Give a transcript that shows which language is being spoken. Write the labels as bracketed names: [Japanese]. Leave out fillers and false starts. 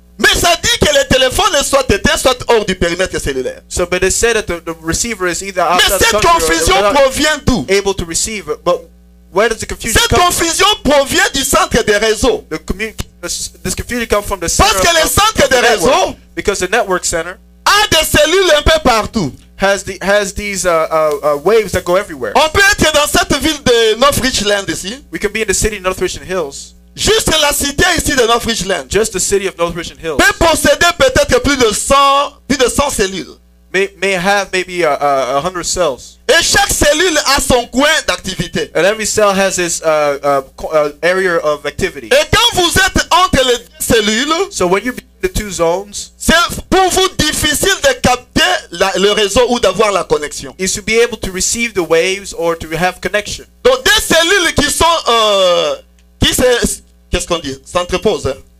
[French] Mais ça dit que le téléphone est soit éteint, soit hors du périmètre cellulaire. [English] So, but it said that the receiver is either [French] mais [English] outside. [French] Mais cette confusion provient d'où? [English] Able to receive, but where does the confusion [French] cette [English] come from? [French] Cette confusion provient du centre des réseaux. [English] This confusion comes from the center. [French] Parce que le centre des réseaux. [English] Because the network center. [French] A des cellules un peu partout. [English] Has these waves that go everywhere. [French] On peut être dans cette ville de North Richland ici. [English] We can be in the city of North Richland Hills. [French] Juste la cité ici de North Richland. [English] Just the city of North Richland Hills. [French] Peut posséder peut-être plus plus de 100 cellules. [English] May have maybe 100 cells. [French] Et chaque cellule a son coin d'activité. [English] And every cell has its area of activity. [French] Et quand vous êtes entre les cellules, [English] so when you're between the two zones, [French] c'est pour vous difficile de capter le réseau ou d'avoir la connexion. [English] Is to be able to receive the waves or to have connection. [French] Donc des cellules qui sont qu'est-ce qu'on dit? S'entreposent.